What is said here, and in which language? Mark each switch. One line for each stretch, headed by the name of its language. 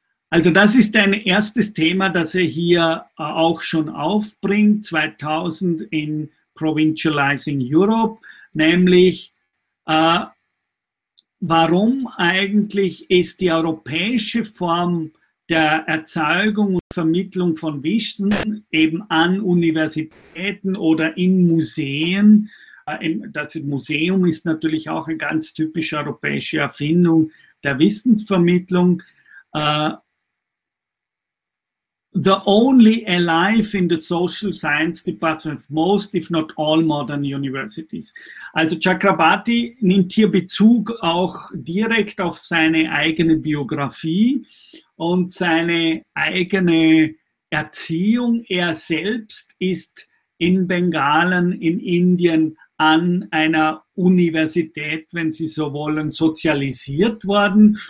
German: Also das ist ein erstes Thema, das er hier auch schon aufbringt, 2000 in Provincializing Europe, nämlich warum eigentlich ist die europäische Form der Erzeugung und Vermittlung von Wissen eben an Universitäten oder in Museen. Das Museum ist natürlich auch eine ganz typische europäische Erfindung der Wissensvermittlung.
English: The only alive in the social science department of most, if not all, modern universities.
German: Also Chakrabarti nimmt hier Bezug auch direkt auf seine eigene Biografie und seine eigene Erziehung. Er selbst ist in Bengalen, in Indien, an einer Universität, wenn Sie so wollen, sozialisiert worden.